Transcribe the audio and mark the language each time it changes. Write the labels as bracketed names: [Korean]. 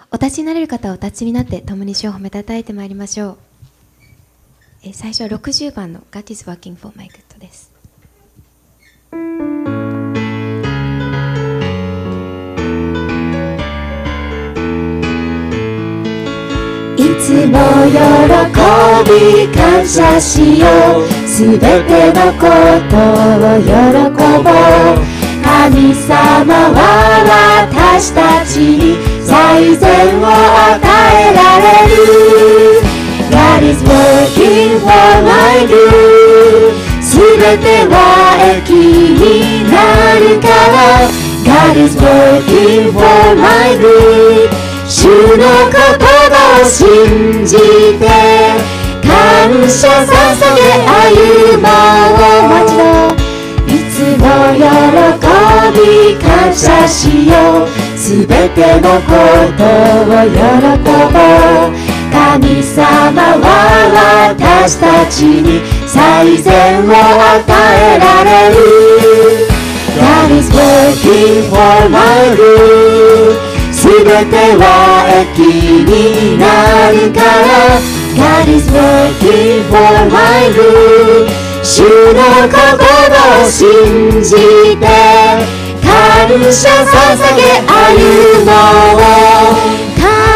[Japanese] お立ちになれる方はお立ちになって共に主を褒めたたえてまいりましょう。最初は60番の God is working for my good です。いつも喜び感謝しよう、すべてのことを喜ぼう。神様は私たちに最善を与えられる。 [English] God is working for my good. [Japanese] 全ては益になるから。 [English] God is working for my good. [Japanese] 主の言葉を信じて感謝捧げ歩もう。もちろん。いつも喜び感謝しよう。全てのことを喜ぼう。神様は私たちに最善を与えられる。 [English] God is working for my good. [Japanese] 全ては益になるから。 [English] God is working for my good. [Japanese] 主の言葉を信じて感謝捧げ歩もう。